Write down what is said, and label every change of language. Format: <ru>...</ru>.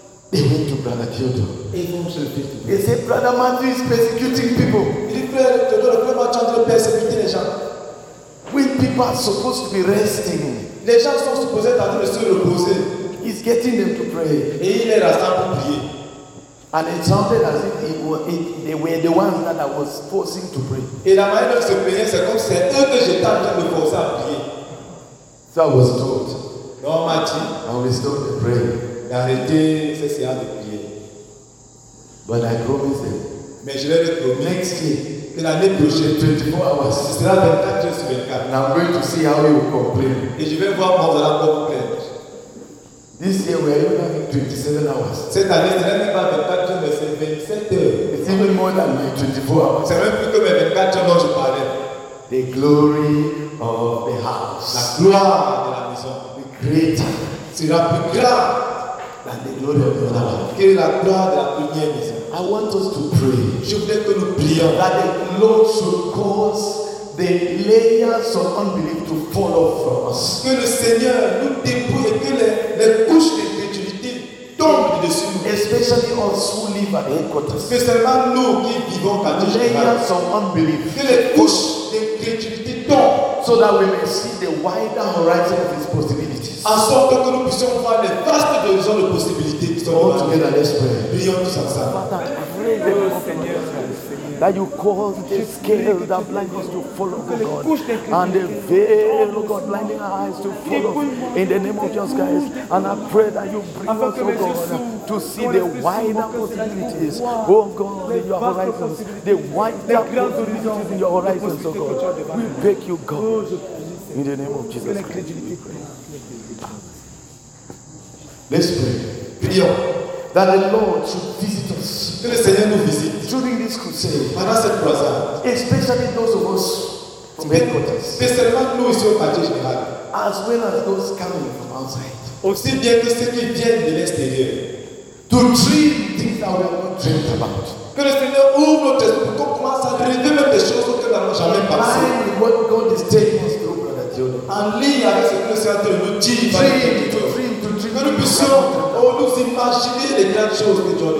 <en>They went to Brother Theodore.</en> <fr>Et ils vont se le faire.</fr> <en>They said, Brother Matthew is persecuting people.</en> <fr>Il dit, Frère Theodore, le Frère Matthew</fr> <en>People are supposed to be resting.</en> <fr>Les gens sont supposés être en train de se reposer.</fr> <en>He's getting them to pray.</en> <fr>Et il est restant pour prier.</fr> <en>And it sounded as if they were the ones that I was forcing to pray.</en> <fr>Et la manière dont ils se priaient, c'est comme c'est eux que j'étais en train de forcer à prier.</fr> <en>So I was told.</en> <fr>Non, Mathieu.</fr> <en>And we stopped the prayer.</en> <fr>D'arrêter ces séances de prier.</fr> <en>But I promised them.</en> <fr>Mais je vais le promettre.</fr> <en>Next year.</en> <fr>Que l'année prochaine,</fr> <en>24 hours.</en> <fr>Ce sera 24 heures sur 24.</fr> <en>And I'm going to see how you will complain.</en> <fr>Et je vais voir comment vous allez complain.</fr> <en>This year we are even having 27 hours.</en> <fr>Cette année, ce n'est même pas 24 heures, mais c'est 27 heures.</fr> <en>It's even more than 24 hours.</en> <fr>C'est même plus que mes 24 heures dont je parlais.</fr> <en>The glory of the house.</en> <fr>La gloire de la maison.</fr> <en>The greater.</en> <fr>Sera plus grand.</fr> <en>Than the glory of the other one.</en> <fr>Que la gloire de la première maison.</fr> <en>I want us to pray.</en> <fr>Je voudrais que nous prions.</fr> <en>That the Lord should cause the layers of unbelief to fall off from us.</en> <fr>Que le Seigneur nous dépouille, que les couches de l'incrédulité tombent dessus nous.</fr> <en>Especially us who live at the headquarters.</en> <fr>Que seulement nous qui vivons à</fr> <en>Dieu. Layers of unbelief.</en> <fr>Que les couches de l'incrédulité tombent.</fr> <en>So that we may see the wider horizon of his possibilities.</en> <fr>En sorte que nous puissions voir les vastes horizons de possibilités qui</fr> <en>sont together, let's pray.</en> <fr>Prions tous ensemble.</fr> <en>That you cause the scales of blindness to fall, oh God, and the veil, oh God, blinding our eyes to follow in the name of Jesus Christ. And I pray that you bring us, oh God, to see the wider possibilities, oh God, in your horizons, the wider possibilities in your horizons, oh God. We beg you, God, in the name of Jesus Christ. We pray. Let's pray. That the Lord should visit us.</en> <fr>Que le Seigneur nous visite.</fr> <en>During this crusade.</en> <fr>Pendant cette croisade.</fr> <en>Especially those of us from headquarters.</en> <fr>Spécialement nous ici au quartier général.</fr> <en>As well as those coming from outside.</en> <fr>Aussi bien que ceux qui viennent de l'extérieur.</fr> <en>To dream things that we have not dreamt about.</en> <fr>Que le Seigneur ouvre notre esprit pour qu'on commence à rêver même des choses que nous n'avons jamais pensées.</fr> <en>Mind what God is telling us through, brother John.</en> <fr>En ligne avec ce que le Seigneur nous dit.</fr> <en>Dream.</en> <fr>Que nous puissions. Oh, nous imaginer les grandes choses que Dieu va nous</fr>